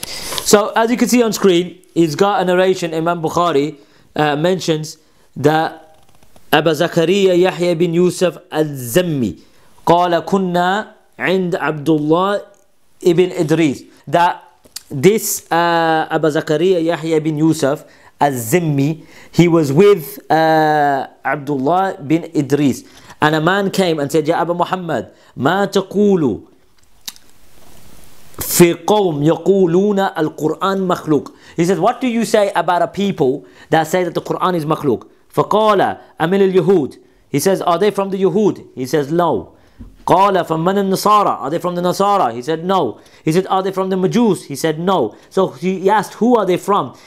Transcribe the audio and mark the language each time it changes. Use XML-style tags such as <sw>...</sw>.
<en>So as you can see on screen, he's got a narration. Imam Bukhari mentions that Abu Zakariya Yahya bin Yusuf al-Zammi,</en> <ar>قال كنا عند عبد الله ابن إدريس.</ar> <en>That this Abu Zakariya Yahya bin Yusuf al-Zimmi, he was with Abdullah bin Idris. And a man came and said,</en> <ar>يا أبا محمد ما تقول في قوم يقولون القرآن مخلوق.</ar> <en>He said, what do you say about a people that say that the Quran is مخلوق?</en> <ar>فقال أمن اليهود.</ar> <en>He says, are they from the Yahud? He says, no.</en> <ar>قَالَ فَمَّنَ النَّصَارَى.</ar> <en>Are they from the Nasara? He said, no. He said, are they from the Majus? He said, no. So he asked, who are they from?</en>